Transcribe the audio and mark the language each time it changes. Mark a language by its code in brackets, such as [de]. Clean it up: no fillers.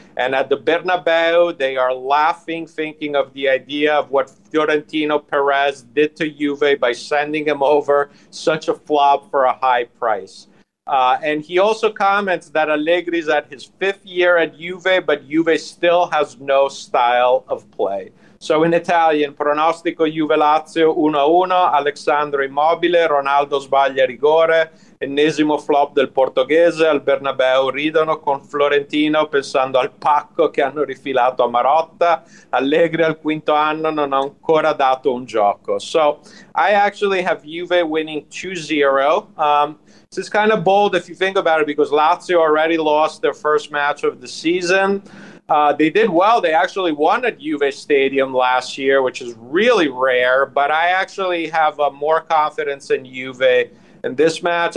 [en] And at the Bernabeu, they are laughing, thinking of the idea of what Florentino Perez did to Juve by sending him over such a flop for a high price. And he also comments that Allegri's at his fifth year at Juve, but Juve still has no style of play. So in Italian, [it] pronostico Juve-Lazio 1-1, Alessandro Immobile, Ronaldo sbaglia rigore, ennesimo flop del portoghese, al Bernabeu ridono con Florentino pensando al pacco che hanno rifilato a Marotta, Allegri al quinto anno non ha ancora dato un gioco. [en] So I actually have Juve winning 2-0. So it's kind of bold if you think about it, because Lazio already lost their first match of the season. They did well. They actually won at Juve Stadium last year, which is really rare. But I actually have more confidence in Juve in this match.